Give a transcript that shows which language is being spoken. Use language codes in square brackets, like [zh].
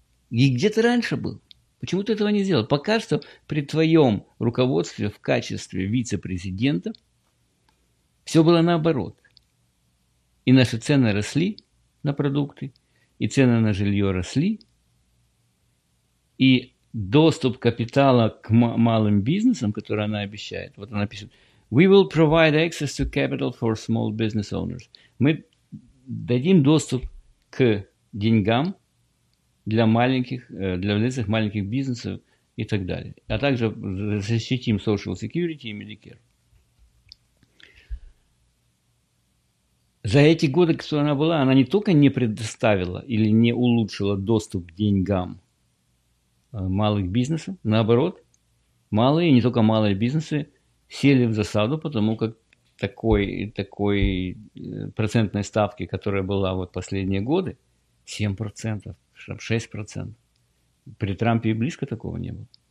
[ru] И где ты раньше был? Почему ты этого не сделал? Пока что при твоем руководстве в качестве вице-президента все было наоборот. И наши цены росли на продукты, и цены на жилье росли, и доступ капитала к малым бизнесам, который она обещает. Вот она пишет. [en] We will provide access to capital for small business owners. [ru] Мы дадим доступ к деньгам для маленьких, для владельцев маленьких бизнесов и так далее. А также защитим Social Security и Medicare. За эти годы, что она была, она не только не предоставила или не улучшила доступ к деньгам малых бизнесов, наоборот, малые, не только малые бизнесы сели в засаду, потому как такой процентной ставки, которая была вот последние годы, 7%, 6%, при Трампе и близко такого не было.